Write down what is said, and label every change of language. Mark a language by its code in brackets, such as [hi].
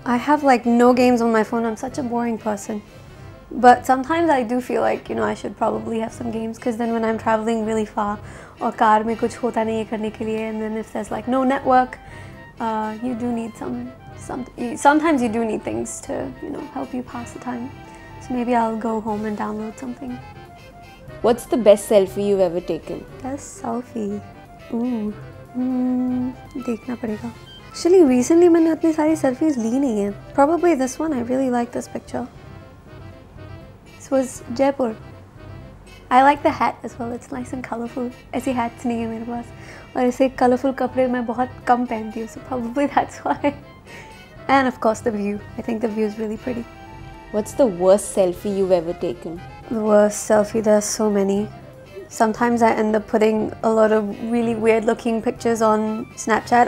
[en] I have like no games on my phone. I'm such a boring person. But sometimes I do feel like, you know, I should probably have some games, because then when I'm traveling really far or [hi] car mein kuch hota nahi hai karne ke liye, [en] and then if there's like no network, you do need sometimes you do need things to, you know, help you pass the time. So maybe I'll go home and download something. What's the best selfie you've ever taken? Best selfie? Ooh. [hi] देखना पड़ेगा. [en] Actually, recently [hi] मैंने उतनी सारी selfies ली नहीं है. [en] Probably this one. I really like this picture. Was Jaipur. I like the hat as well. It's nice and colorful. [hi] ऐसे hats नहीं है मेरे पास. और ऐसे colorful कपड़े मैं बहुत कम पहनती who, [en] so probably that's why. And of course the view. I think the view is really pretty. What's the worst selfie you've ever taken? The worst selfie? There's so many. Sometimes I end up putting a lot of really weird looking pictures on Snapchat.